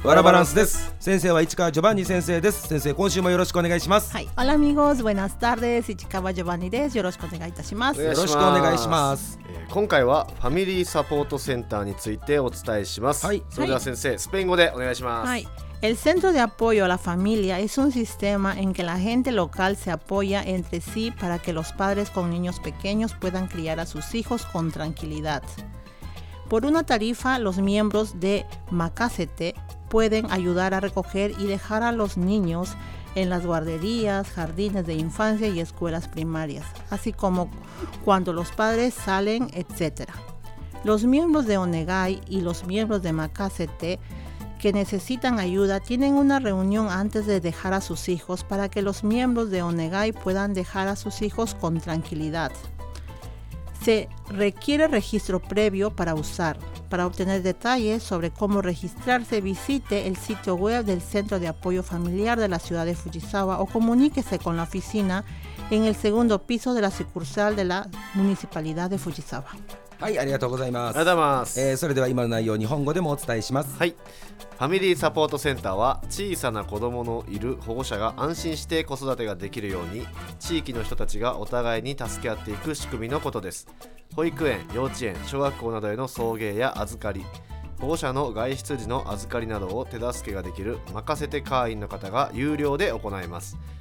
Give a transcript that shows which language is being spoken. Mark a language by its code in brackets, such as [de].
[ja] ワラバランスです。先生は市川ジョバンニ先生です。先生、今週もよろしくお願いします。はい、 [es] アラミゴーズ、ブエナスタル [ja] です。市川ジョバンニです。よろしくお願いいたします。よろしくお願いします。今回はファミリーサポートセンターについてお伝えします。はい、それでは先生、はい、スペイン語でお願いします。はい、 [es] El centro de apoyo a la familia es un sistema en que la gente local se apoya entre sí para que los padres con niños pequeños puedan criar a sus hijos con tranquilidad. Por una tarifa, los miembros de Macacete pueden ayudar a recoger y dejar a los niños en las guarderías, jardines de infancia y escuelas primarias, así como cuando los padres salen, etc. Los miembros de Onegai y los miembros de Macacete que necesitan ayuda tienen una reunión antes de dejar a sus hijos para que los miembros de Onegai puedan dejar a sus hijos con tranquilidad. Se requiere registro previo para usar. Para obtener detalles sobre cómo registrarse, visite el sitio web del Centro de Apoyo Familiar de la ciudad de Fujisawa o comuníquese con la oficina en el segundo piso de la sucursal de la municipalidad de Fujisawa. [ja] はい、ありがとうございます。ありがとうございます、それでは今の内容を日本語でもお伝えします。はい、ファミリーサポートセンターは小さな子どものいる保護者が安心して子育てができるように地域の人たちがお互いに助け合っていく仕組みのことです。保育園、幼稚園、小学校などへの送迎や預かり、保護者の外出時の預かりなどを手助けができる任せて会員の方が有料で行います。